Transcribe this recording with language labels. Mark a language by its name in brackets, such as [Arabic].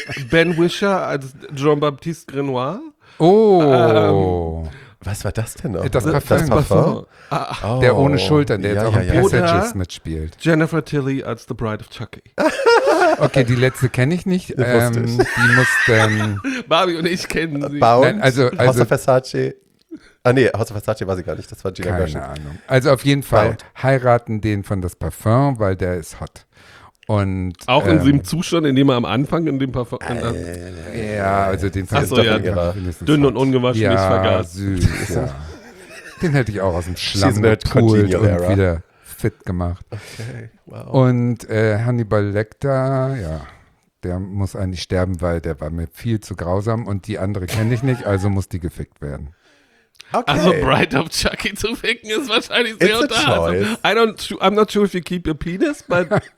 [German] Ben Whishaw als Jean-Baptiste Grenoir. Oh. Was war das denn noch? Das Parfum? Der ohne Schultern, der jetzt auch in Passages mitspielt. Jennifer Tilly als The Bride of Chucky. Okay, die letzte kenne ich nicht. Die muss dann. Barbie und ich kennen sie. Bound, nein, also House of Versace. Ah nee, House of Versace war sie gar nicht. Das war Gina Gershon. Keine Ahnung. Also auf jeden Fall heiraten den von Das Parfum, weil der ist hot. Und, auch in dem Zustand, in dem er am Anfang in dem Parfum. Ja, also den Parfum. Achso, ja, dünn und ungewaschen, ja, nicht vergaß. Süß. Ja. Den hätte ich auch aus dem Schlamm gepult und wieder fit gemacht. Okay, wow. Und Hannibal Lecter, ja, der muss eigentlich sterben, weil der war mir viel zu grausam und die andere kenne ich nicht, also muss die gefickt werden. Okay. Also Bride of Chucky zu ficken ist wahrscheinlich sehr unterhaltsam. [English] I'm not sure if you keep your penis, but